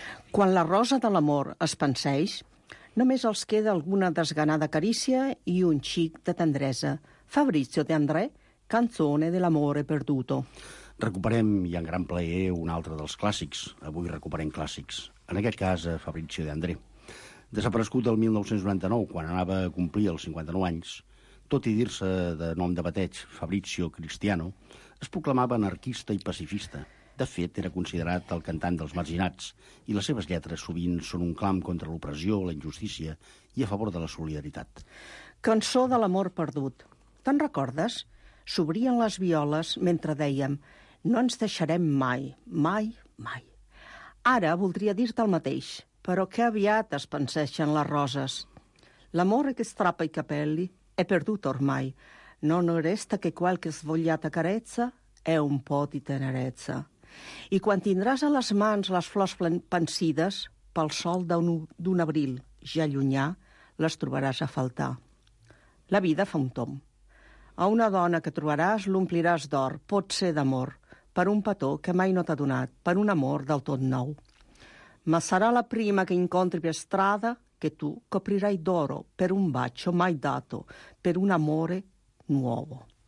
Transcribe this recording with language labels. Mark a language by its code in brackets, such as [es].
[ca] Quan la rosa de l'amor es penseix, només els queda alguna desganada carícia i un xic de tendresa. Fabrizio De André, Canzone dell'amore perduto. Recuperem, i en gran plaer, un altre dels clàssics. Avui recuperem clàssics. En aquest cas, Fabrizio De André. Desaparegut el 1999, quan anava a complir els 59 anys, tot i dir-se de nom de bateig Fabrizio Cristiano, es proclamava anarquista i pacifista. De fet, era considerat el cantant dels marginats, i les seves lletres sovint són un clam contra l'opressió, la injustícia i a favor de la solidaritat. Cançó de l'amor perdut. Te'n recordes? S'obrien les violes mentre dèiem «No ens deixarem mai, mai, mai». Ara voldria dir-te el mateix, però que aviat es penseixen les roses. [it] L'amor que strappa i capelli è perdut ormai. Non resta che qualche svogliata carezza è un po' di tenerezza. [ca] I quan tindràs a les mans les flors pensides pel sol d'un abril ja llunyà, les trobaràs a faltar. La vida fa un tomb. A una dona que trobaràs l'ompliràs d'or, potser d'amor, per un petó que mai no t'ha donat, per un amor del tot nou. [it] Ma serà la prima que incontri per strada che tu coprirai d'oro per un bacio mai dato, per un amore nuovo.